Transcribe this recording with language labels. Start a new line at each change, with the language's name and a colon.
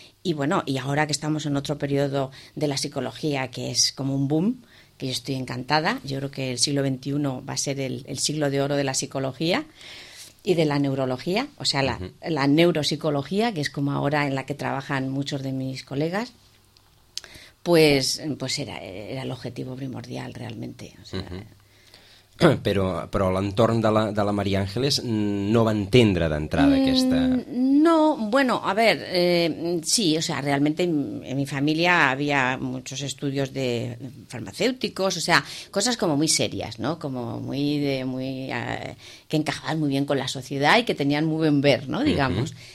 Spanish: Y bueno, y ahora que estamos en otro periodo de la psicología que es como un boom, que yo estoy encantada, yo creo que el siglo XXI va a ser el siglo de oro de la psicología y de la neurología, o sea, la neuropsicología, que es como ahora en la que trabajan muchos de mis colegas, pues era el objetivo primordial realmente. O sea,
Catalan: però l'entorn de la Maria Àngeles no va entendre d'entrada aquesta...
Spanish: No, bueno, a ver, sí, o sea, realmente en mi familia había muchos estudios de farmacéuticos, o sea, cosas como muy serias, ¿no? Como muy de muy que encajaban muy bien con la sociedad y que tenían muy buen ver, ¿no? Digamos. Uh-huh.